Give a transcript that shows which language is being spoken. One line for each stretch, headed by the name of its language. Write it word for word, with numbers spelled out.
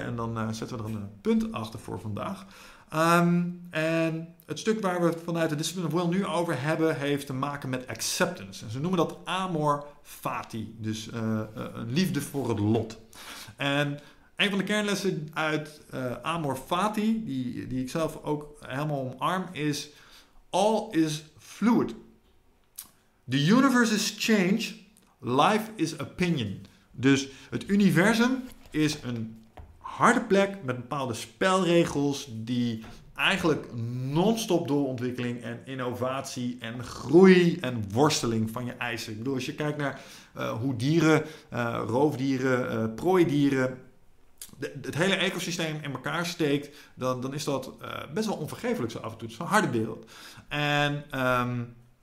Dutch: En dan uh, zetten we er een punt achter voor vandaag. Um, en het stuk waar we het vanuit de Discipline of Will nu over hebben, heeft te maken met acceptance. En ze noemen dat amor fati, dus uh, uh, een liefde voor het lot. En een van de kernlessen uit uh, amor fati, die, die ik zelf ook helemaal omarm, is
English: all is fluid. The universe is change, life is opinion.
Dutch: Dus het universum is een harde plek met bepaalde spelregels die eigenlijk non-stop door ontwikkeling en innovatie en groei en worsteling van je eisen. Ik bedoel, als je kijkt naar uh, hoe dieren, uh, roofdieren, uh, prooidieren, de, het hele ecosysteem in elkaar steekt, dan, dan is dat uh, best wel onvergeeflijk zo af en toe. Het is een harde wereld. En Um,